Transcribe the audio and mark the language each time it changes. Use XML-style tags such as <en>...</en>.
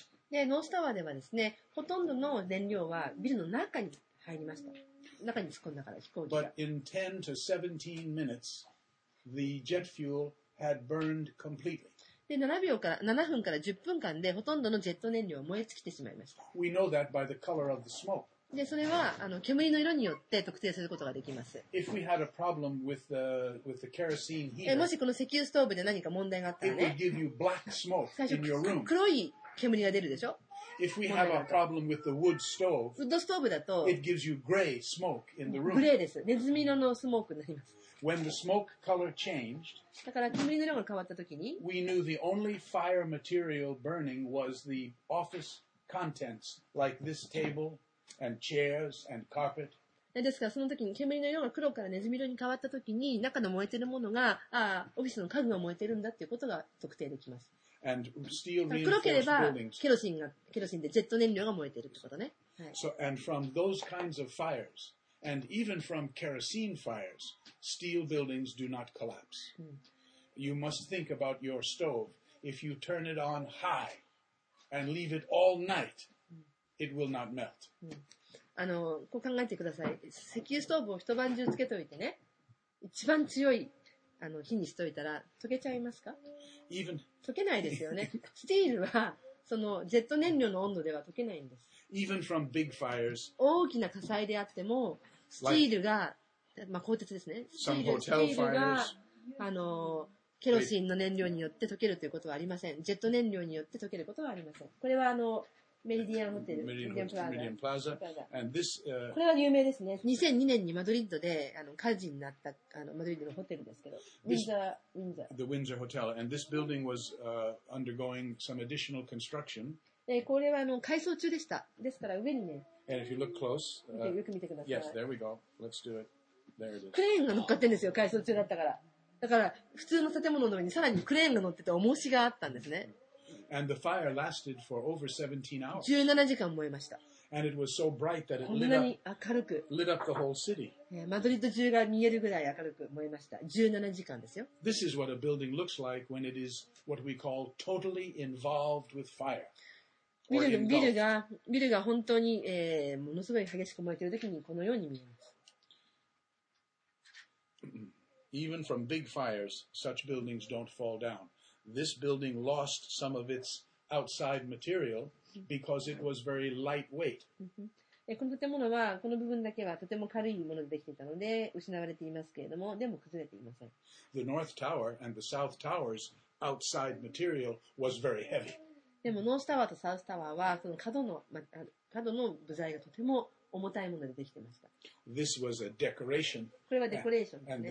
<ja>でノースタワーではですね、ほとんどの燃料はビルの中に入りました。中に突っ込んだから飛行機が。</ja> <en>But in 10 to 17 minutes, the jet fuel had burned completely.</en> <ja>で7分から10分間でほとんどのジェット燃料は燃え尽きてしまいました。</ja> <en>We know that by the color of the smoke.</en> <ja>でそれは煙の色によって特定することができます。</ja> <en>If we had a problem with the kerosene heater,</en> <ja>もしこの石油ストーブで何か問題があったらね、</ja> <en>it would give you black smoke in your room.</en> <ja>黒い煙が出るでしょ。</ja> <en>If we have a problem with the wood stove,</en> <ja>ウッドストーブだと、</ja> <en>it gives you gray smoke in the room.</en> <ja>グレーです。ネズミ色のスモークになります。</ja> <en>When the smoke color changed,</en> <ja>だから煙の色が変わったときに、</ja> <en>we knew the only fire material burning was the office contents, like this table and chairs and carpet.</en> <ja>ですからその時に煙の色が黒からネズミ色に変わったときに、中の燃えてるものが、ああ、オフィスの家具が燃えてるんだっていうことが特定できます。</ja> <en>And steel reinforced</en> <ja>黒ければケロシンでジェット燃料が燃えているということね。</ja> <en>So, and from those kinds of fires, and even from kerosene fires, steel buildings do not collapse. You must think about your stove. If you turn it on high and leave it all night, it will not melt.</en> <ja>こう考えてください。石油ストーブを一晩中つけておいてね、一番強い火にしといたら溶けちゃいますか？溶けないですよね。スティールはそのジェット燃料の温度では溶けないんです。</ja> <en>Even from big fires,</en> <ja>大きな火災であってもスティールが、まあ鋼鉄ですね。スティールがケロシンの燃料によって溶けるということはありません。ジェット燃料によって溶けることはありません。これはメリディアンホテル、メリディアンプラザ。メリディアンプラザ。</ja> <en>And this,</en> <ja>これは有名ですね。 2002年にマドリッドで火事になったマドリッドのホテルですけど、</ja> <en>The Windsor Hotel. And this building was undergoing some additional construction.</en> <ja>これは改装中でした。ですから上にね。</ja> <en>And if you look close,</en> <ja>よく見てください。</ja> <en>Yes, there we go. Let's do it. There it is.</en> <ja>クレーンが乗っかってんですよ、改装中だったから。だから普通の建物の上にさらにクレーンが乗ってて重しがあったんですね。</ja> <en>And the fire lasted for over 17 hours.</en> <ja>17時間燃えました。</ja> <en>And it was so bright that it lit up the whole city.</en> <ja>マドリッド中が見えるぐらい明るく燃えました。 17時間ですよ。</ja> <en>This is what a building looks like when it is what we call totally involved with fire.</en> <ja>ビルが本当に、ものすごい激しく燃えているときにこのように見えます。</ja> <en>Even from big fires, such buildings don't fall down. This building lost some of its outside material because it was very lightweight.</en> <ja>この建物はこの部分だけはとても軽いものでできていたので失われていますけれども、でも崩れていません。</ja> <en>The North Tower and the South Tower's outside material was very heavy.</en> <ja>でもノースタワーとサウスタワーはその角の部材がとても重たいものでできていました。</ja> <en>This was a decoration.</en> <ja>これはデコレーションですね。</ja>